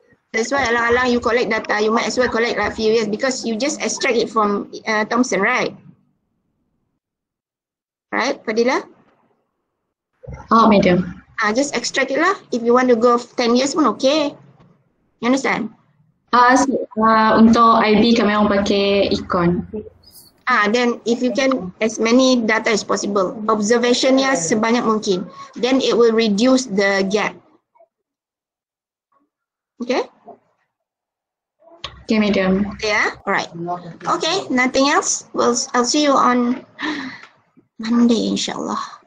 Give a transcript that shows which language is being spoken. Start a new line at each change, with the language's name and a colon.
English: That's why
Malay: alang-alang
English: you collect data, you might as well collect like few years because you just extract it from Thompson, right? Right, Fadila? Oh, madam. Just extract it lah. If you want to go 10 years pun okay. You understand?
Malay: Untuk IB kami orang pakai ikon.
English: Then if you can as many data as possible.
Malay: Observationnya sebanyak mungkin.
English: Then it will reduce the gap. Okay? Okay, madam. Yeah, alright. Okay, nothing else? Well, I'll see you on Monday, insyaAllah.